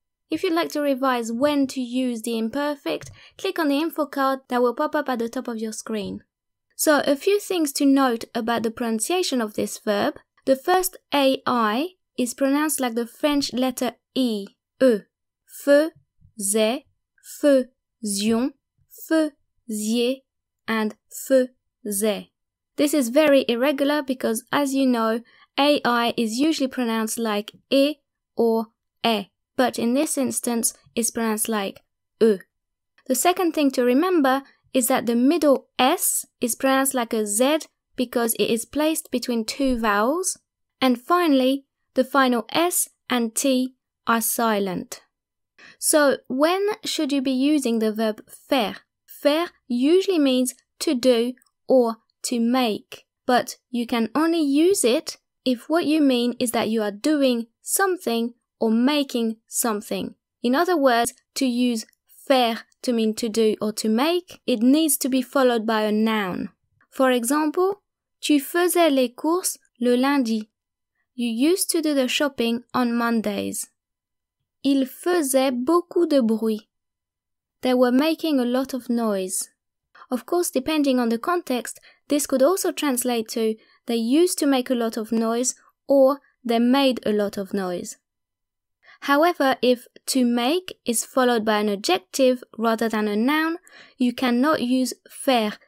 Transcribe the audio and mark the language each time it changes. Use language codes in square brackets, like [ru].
[en] If you'd like to revise when to use the imperfect, click on the info card that will pop up at the top of your screen. So, a few things to note about the pronunciation of this verb. The first AI is pronounced like the French letter E, E. [fr] Faisait, faisions, faisiez, and faisait. [en] This is very irregular because, as you know, AI is usually pronounced like E or E, but in this instance, it's pronounced like E. The second thing to remember is that the middle S is pronounced like a Z because it is placed between two vowels. And finally, the final S and T are silent. So, when should you be using the verb faire? Faire usually means to do or to make, but you can only use it if what you mean is that you are doing something or making something. In other words, to use faire to mean to do or to make, it needs to be followed by a noun. For example, [fr] tu faisais les courses le lundi. [en] You used to do the shopping on Mondays. [fr] Il faisait beaucoup de bruit. [en] They were making a lot of noise. Of course, depending on the context, this could also translate to they used to make a lot of noise or they made a lot of noise. However, if to make is followed by an adjective rather than a noun, you cannot use faire.